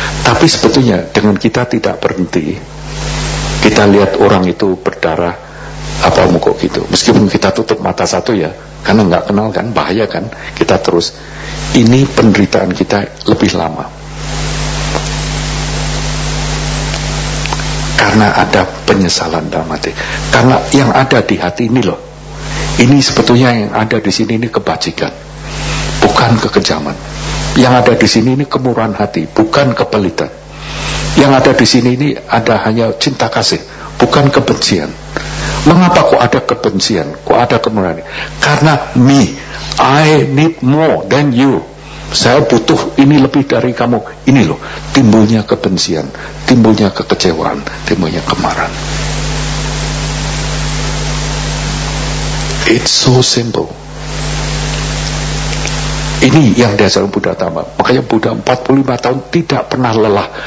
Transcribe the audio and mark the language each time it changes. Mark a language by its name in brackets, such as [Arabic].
[Indonesian] Tapi sebetulnya dengan kita tidak berhenti, kita lihat orang itu berdarah apa mukok gitu, meskipun kita tutup mata satu ya, karena nggak kenal kan, bahaya kan, kita terus, ini penderitaan kita lebih lama karena ada penyesalan dalam hati, karena yang ada di hati ini loh, ini sebetulnya yang ada di sini ini kebajikan, bukan kekejaman. Yang ada di sini ini kemurahan hati, bukan kepelitan. Yang ada di sini ini ada hanya cinta kasih, bukan kebencian. Mengapa kok ada kebencian? Kok ada kemurahan? Karena [English] me, I need more than you. [Indonesian] Saya butuh ini lebih dari kamu. Ini loh, timbulnya kebencian, timbulnya kekecewaan, timbulnya kemarahan. [English] It's so simple. [Indonesian] Ini yang dasar Buddha Tama. Makanya Buddha 45 tahun tidak pernah lelah.